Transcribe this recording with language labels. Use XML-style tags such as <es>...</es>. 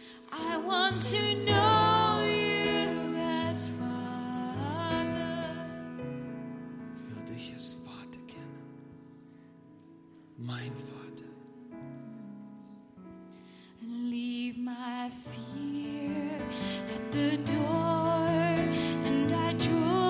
<en>I want to know you as Father.</en> <de>Ich will dich als Vater kennen. Mein Vater.</de> <en>Leave my fear at the door and I draw.</en>